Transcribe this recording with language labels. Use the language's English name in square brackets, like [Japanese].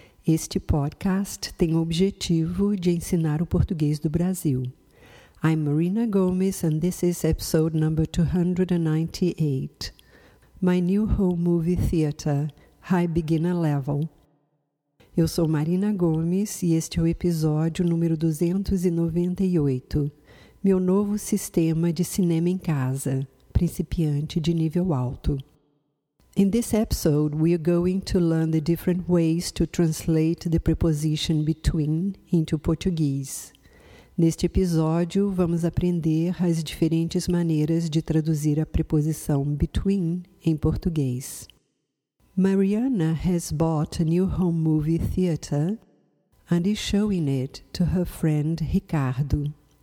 [Portuguese] Este podcast tem o objetivo de ensinar o português do Brasil. [English] I'm Marina Gomes and this is episode number 298. My new home movie theater, High Beginner Level. [Portuguese] Eu sou Marina Gomes e este é o episódio número 298. Meu novo sistema de cinema em casa, principiante de nível alto. [English] In this episode, we are going to learn the different ways to translate the preposition between into Portuguese. [Portuguese] Neste episódio, vamos aprender as diferentes maneiras de traduzir a preposição between em português. [English] Mariana has bought a new home movie theater and is showing it to her friend Ricardo.